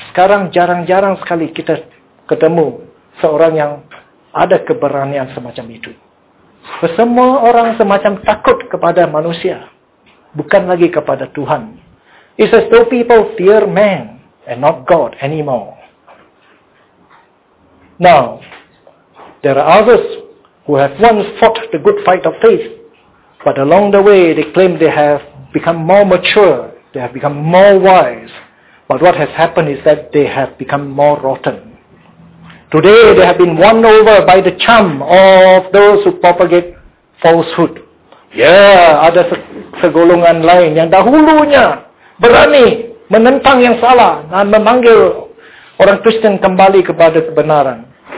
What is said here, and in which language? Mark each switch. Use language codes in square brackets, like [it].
[ms] Sekarang jarang-jarang sekali kita ketemu seorang yang ada keberanian semacam itu. Semua orang semacam takut kepada manusia, bukan lagi kepada Tuhan. [en] It's as though people fear man and not God anymore. Now, there are others who have once fought the good fight of faith, but along the way they claim they have become more mature, they have become more wise, but what has happened is that they have become more rotten. Today they have been won over by the charm of those who propagate falsehood. [ms] Yeah, ada segolongan lain yang dahulunya berani menentang yang salah dan memanggil orang Kristen kembali kepada kebenaran.